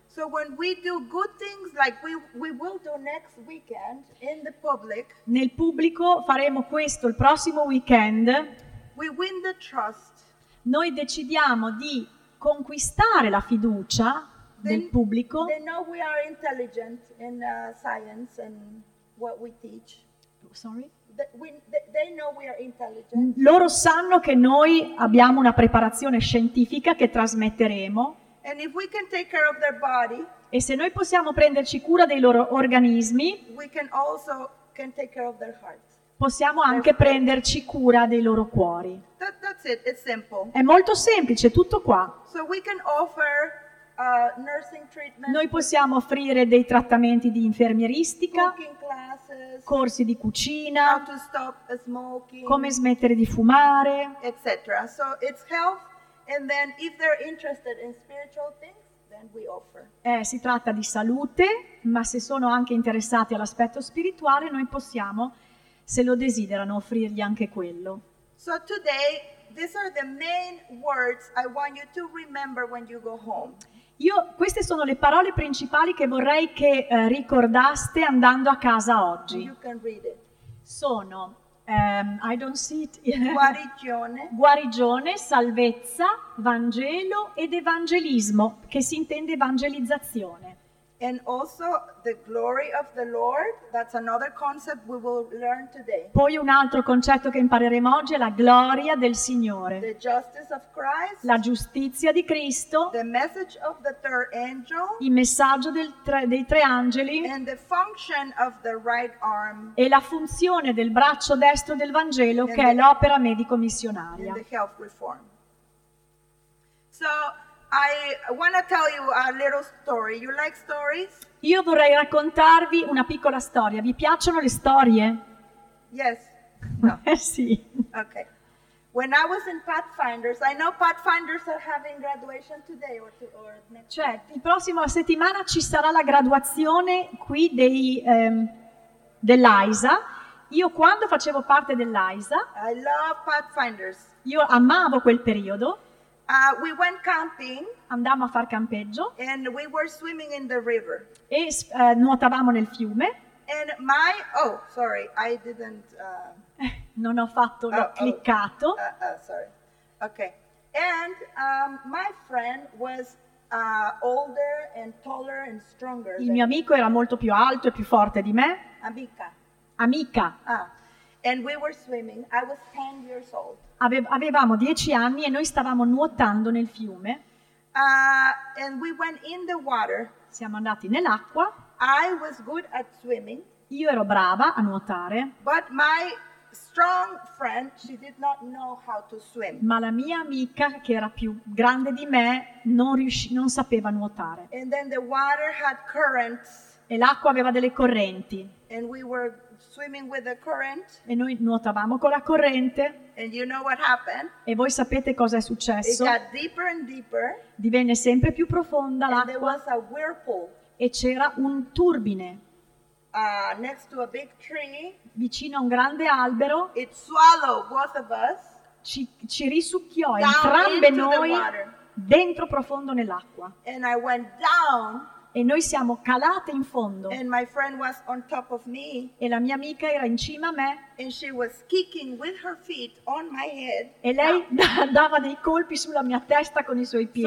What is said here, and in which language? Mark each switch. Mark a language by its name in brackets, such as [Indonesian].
[English] So when we do good things like we will do next weekend in the public. [Italian] Nel pubblico faremo questo il prossimo weekend. [English] We win the trust. [Italian] Noi decidiamo di conquistare la fiducia del pubblico. [English] They know we are intelligent in science and what we teach. They know we are intelligent. [Italian] Loro sanno che noi abbiamo una preparazione scientifica che trasmetteremo. [English] And if we can take care of their body, [Italian] e se noi possiamo prenderci cura dei loro organismi, [English] we can take care of their hearts. [Italian] Possiamo anche prenderci cura dei loro cuori. [English] That's it. It's simple. [Italian] È molto semplice, tutto qua. [English] So we can offer nursing treatment. [Italian] Noi possiamo offrire dei trattamenti di infermieristica, [English] cooking classes, [Italian] corsi di cucina, [English] how to stop smoking, [Italian] come smettere di fumare, eccetera. [English] So it's health, and then if they're interested in spiritual things, then we offer. [Italian] Si tratta di salute, ma se sono anche interessati all'aspetto spirituale, noi possiamo, se lo desiderano, offrirgli anche quello. [English] So today, these are the main words I want you to remember when you go home. [Italian] Queste sono le parole principali che vorrei che ricordaste andando a casa oggi. [English] You can read it. Sono I don't see it. [Italian] Guarigione, salvezza, Vangelo ed evangelismo, che si intende evangelizzazione. [English] And also the glory of the Lord, that's another concept we will learn today. [Italian] Poi un altro concetto che impareremo oggi è la gloria del Signore. [English] The justice of Christ. [Italian] La giustizia di Cristo. [English] The message of the third angel. [Italian] Il messaggio dei tre angeli. [English] And the function of the right arm. [Italian] E la funzione del braccio destro del Vangelo, che è l'opera medico-missionaria. [English] And the health reform. So I want to tell you a little story. You like stories? [Italian] Io vorrei raccontarvi una piccola storia. Vi piacciono le storie? Yes. No. Sì. [English] Okay. When I was in Pathfinders, I know Pathfinders are having graduation today or next. [Italian] Cioè, il prossimo settimana ci sarà la graduazione qui dei dell'AISA. Io quando facevo parte dell'AISA, [English] I love Pathfinders. [Italian] Io amavo quel periodo. [English] We went camping. [Italian] Andammo a far campeggio. [English] And we were swimming in the river. [Italian] E nuotavamo nel fiume. [English] And my [Italian] non ho fatto l'ho cliccato. [English] Okay. And my friend was older and taller and stronger. [Italian] Il mio amico era molto più alto e più forte di me. [English] Amica. And we were swimming. I was 10 years old. [Italian] Avevamo 10 anni e noi stavamo nuotando nel fiume. [English] And we went in the water. [Italian] Siamo andati nell'acqua. [English] I was good at swimming. [Italian] Io ero brava a nuotare. [English] But my strong friend, she did not know how to swim. [Italian] Ma la mia amica, che era più grande di me, non sapeva nuotare. [English] And then the water had currents. [Italian] E l'acqua aveva delle correnti. [English] And we were swimming with the current. [Italian] E noi nuotavamo con la corrente. [English] And you know what happened? [Italian] E voi sapete cosa è successo? [English] It got deeper and deeper. [Italian] Divenne sempre più profonda [English] and [Italian] l'acqua. [English] There was a whirlpool. [Italian] E c'era un turbine. [English] Next to a big tree. [Italian] Vicino a un grande albero. [English] It swallowed both of us. [Italian] Ci risucchiò entrambe noi dentro profondo nell'acqua. [English] And I went down. [Italian] E noi siamo calate in fondo. [English] And my friend was on top of me. [Italian] E la mia amica era in cima a me. [English] And she was kicking with her feet on my head. [Italian] E lei dava dei colpi sulla mia testa con i suoi piedi.